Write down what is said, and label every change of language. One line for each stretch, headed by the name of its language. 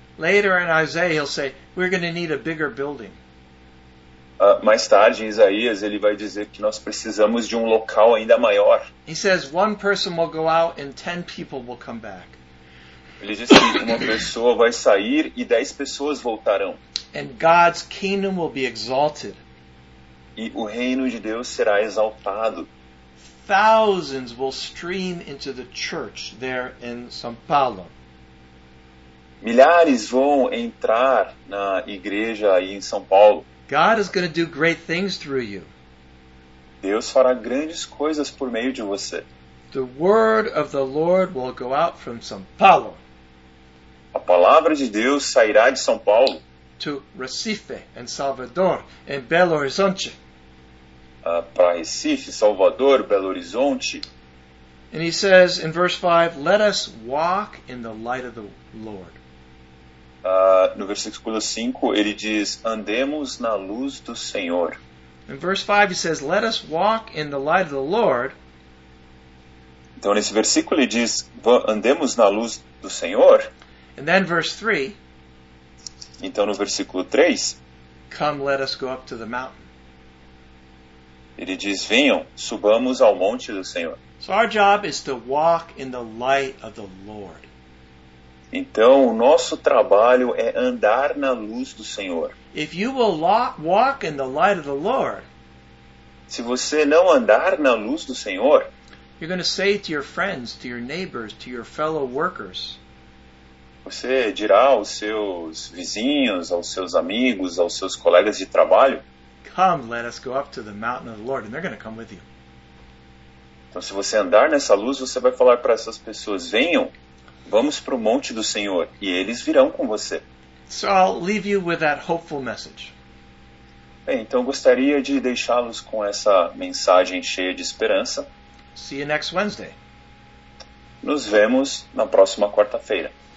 English: Later in Isaiah, he'll say, we're going to need a bigger building.
Portuguese: Mais tarde, em Isaías, ele vai dizer que nós precisamos de um local ainda maior.
English: He says, one person will go out and 10 people will come back.
Portuguese: Ele diz que uma pessoa vai sair e 10 pessoas voltarão.
English: And God's kingdom will be exalted.
Portuguese: E o reino de Deus será exaltado.
English: Thousands will stream into the church there in São Paulo.
Portuguese: Milhares vão entrar na igreja aí em São Paulo.
English: God is going to do great things through you.
Portuguese: Deus fará grandes coisas por meio de você.
English: The word of the Lord will go out from São Paulo.
Portuguese: A palavra de Deus sairá de São Paulo.
English: To Recife and Salvador and Belo Horizonte.
Portuguese: Para Recife, Salvador, Belo Horizonte.
English: And he says in verse 5, let us walk in the light of the Lord.
Portuguese: No versículo 5, ele diz, andemos na luz do Senhor.
English: In verse 5, he says, let us walk in the light of the Lord.
Portuguese: Então, nesse versículo, ele diz, andemos na luz do Senhor.
English: And then verse 3.
Portuguese: Então, no versículo 3.
English: Come, let us go up to the mountain.
Portuguese: Ele diz, venham, subamos ao monte do Senhor.
English: So our job is to walk in the light of the Lord.
Portuguese: Então, o nosso trabalho é andar na luz do Senhor.
English: If you will walk in the light of the Lord,
Portuguese: se você não andar na luz do Senhor,
English: you're going to say to your friends, to your neighbors, to your fellow workers,
Portuguese: você dirá aos seus vizinhos, aos seus amigos, aos seus colegas de trabalho,
English: come, let us go up to the mountain of the Lord, and they're going to come with you.
Portuguese: Então, se você andar nessa luz, você vai falar para essas pessoas, venham, vamos para o monte do Senhor, e eles virão com você.
English: So I'll leave you with that hopeful message.
Portuguese: Bem, então eu gostaria de deixá-los com essa mensagem cheia de esperança.
English: See you next Wednesday.
Portuguese: Nos vemos na próxima quarta-feira.